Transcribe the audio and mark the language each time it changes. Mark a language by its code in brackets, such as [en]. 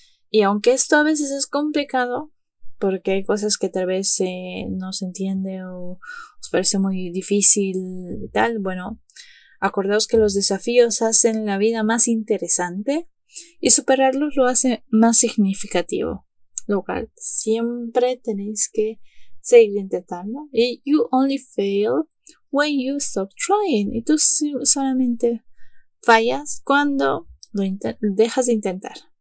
[es] Y aunque esto a veces es complicado, porque hay cosas que tal vez no se entiende o os parece muy difícil y tal, bueno, acordaos que los desafíos hacen la vida más interesante y superarlos lo hace más significativo. Lo cual siempre tenéis que seguir intentando. [en] Y you only fail when you stop trying. [es] Y tú solamente fallas cuando dejas de intentar.